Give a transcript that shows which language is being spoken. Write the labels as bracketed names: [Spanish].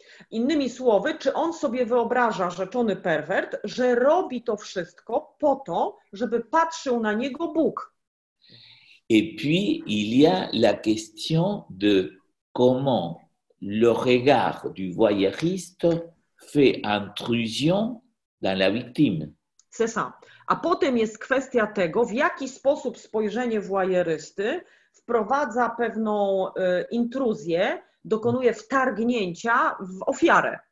[Polish] Innymi słowy, czy on sobie wyobraża, rzeczony perwert, że robi to wszystko po to, żeby patrzył na niego Bóg? [French] Et puis, il y a la question de comment le regard du voyeuriste fait intrusion dans la victime. C'est ça. [Polish] A potem jest kwestia tego, w jaki sposób spojrzenie voyeurysty wprowadza pewną intruzję, dokonuje wtargnięcia w ofiarę.